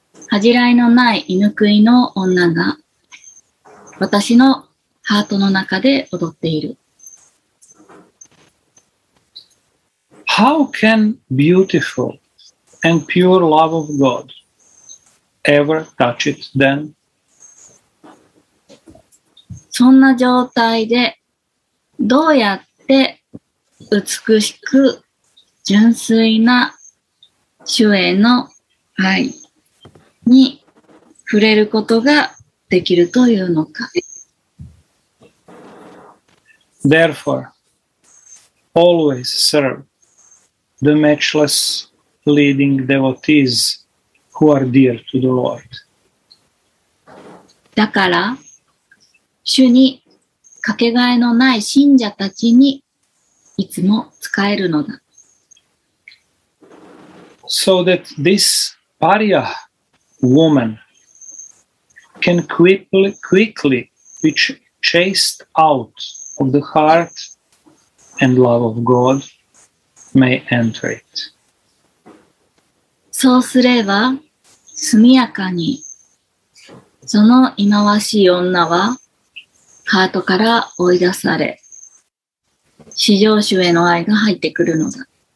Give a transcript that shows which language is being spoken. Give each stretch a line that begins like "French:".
Japanese: 恥じらいのない犬食いの女が私のハートの中で踊っている。
English: How can beautiful and pure love of God ever touch it then?
Japanese: そんな状態でどうやって美しく純粋な主への愛に触れることができるというのか。
English: Therefore, always serve the matchless leading devotees who are dear to the Lord.
Japanese: だから、主にかけがえのない信者たちにいつも仕えるのだ。
English: So that this pariah woman can quickly be chased out of the heart and love of God may enter it.
Japanese: そうすれば速やかにその忌まわしい女はハートから追い出され至上主への愛が入ってくるのだ。